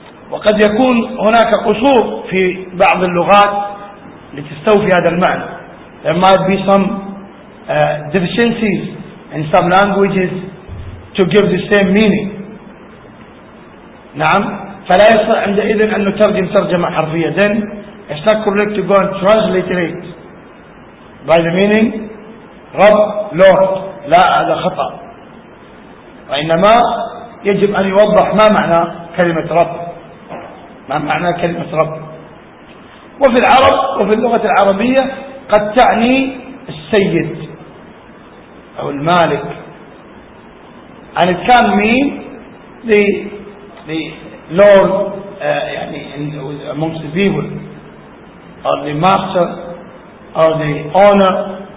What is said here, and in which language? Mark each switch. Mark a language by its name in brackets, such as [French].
[Arabic] وقد يكون هناك قصور في بعض اللغات لتستوفي هذا المعنى. [English] There might be some deficiencies in some languages to give the same meaning. نعم. ف [Arabic] فلا يصح عندئذ أن نترجم ترجمة حرفية. [English] Then it's not correct to go and transliterate by the meaning رب lord. [Arabic] لا هذا خطأ, وإنما يجب أن يوضح ما معنى كلمة رب, ما معنى كلمة رب. وفي العرب وفي اللغة العربية قد تعني السيد أو المالك. [English] And it can mean the lord يعني amongst the people, or the master, or the owner.